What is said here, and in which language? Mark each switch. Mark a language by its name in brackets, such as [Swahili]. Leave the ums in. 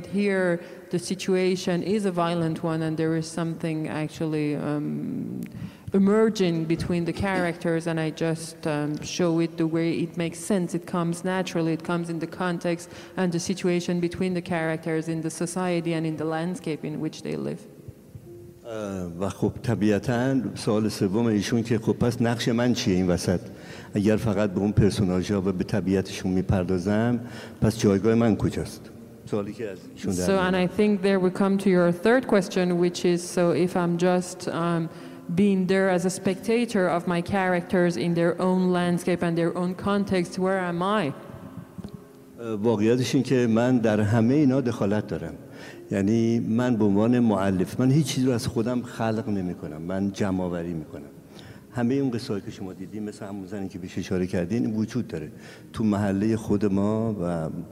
[English] But here, the situation is a violent one, and there is something actually um, emerging between the characters, and I just um, show it the way it makes sense. It comes naturally, it comes in the context and the situation between the characters in the society and in the landscape in which they live. [Persian] و خب طبیعتا سوال سوم ایشون که خب پس نقش من چیه این وسط اگر فقط به اون پرسوناژها و به طبیعتشون میپردازم پس جایگاه من کجاست سوالی که از ایشون در [English] So, and I think there we come to your third question, which is so if I'm just um, being there as a spectator of my characters in their own landscape and their own context, where am I? [Persian] واقعیتش این که من در همه اینا دخالت دارم یعنی من به عنوان معلف من هیچ چیز رو از خودم خلق نمی کنم من جمع آوری می کنم همه اون قصه که شما دیدین مثل همون زنی که بهش اشاره کردین وجود داره تو محله خود ما و